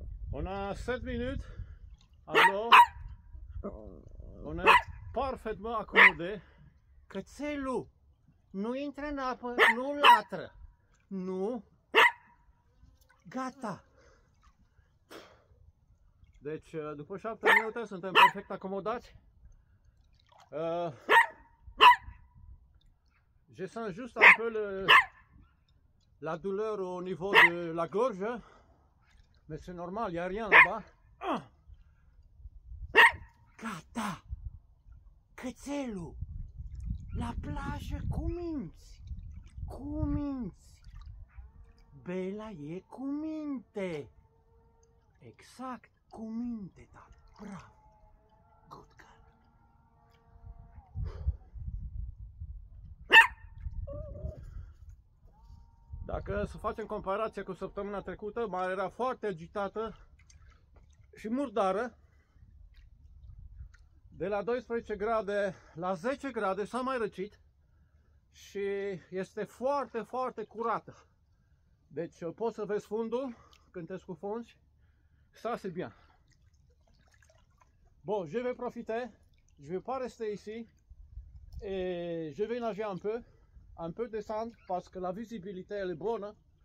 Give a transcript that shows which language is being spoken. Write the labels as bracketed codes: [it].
[fr] On a 7 minute. Alo. On a parfaitement accommodé. [ro] Cățelul nu intră în apă, nu latră. Nu. Gata. Deci, după 7 minute suntem perfect acomodați. [fr] Je sens juste un peu la douleur au niveau de la gorge. Mais c'est normal, y a rien là-bas. [ro] Gata. Cățelul. La plajă cu minți. Cu minți. Bela e cu minte. Exact. Cu minte, da. Bravo. [en] Good girl. [ro] Dacă să facem comparația cu săptămâna trecută, mare era foarte agitată și murdară. De la 12 grade la 10 grade s-a mai răcit și este foarte, foarte curată. Deci poți să vezi fundul când te scufunzi. [fr] Ça c'est bien. Bon, je vais profiter. Je vais pas rester ici et je vais nager un peu descendre parce que la visibilité elle est bonne.